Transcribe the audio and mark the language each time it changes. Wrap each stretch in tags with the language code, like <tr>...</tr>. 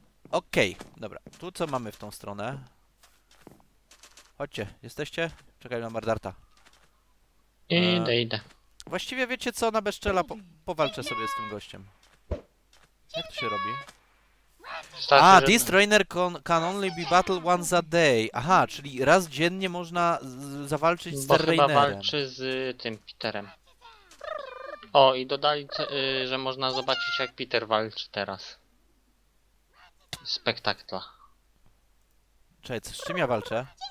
<pl>Okej, dobra. Tu co mamy w tą stronę? Chodźcie, jesteście? Czekaj na Mardarta. Idę, idę. Właściwie wiecie co, na bezczela powalczę sobie z tym gościem. Jak to się robi? Wystarczy, A, żeby.</pl> <en>this trainer can only be battled once a day.</en> <pl>Aha, czyli raz dziennie można zawalczyć z Bo chyba Terrainerem. walczy z tym Peterem. O, i dodali, że można zobaczyć, jak Peter walczy teraz. Spektakla. Cześć, z czym ja walczę?</pl>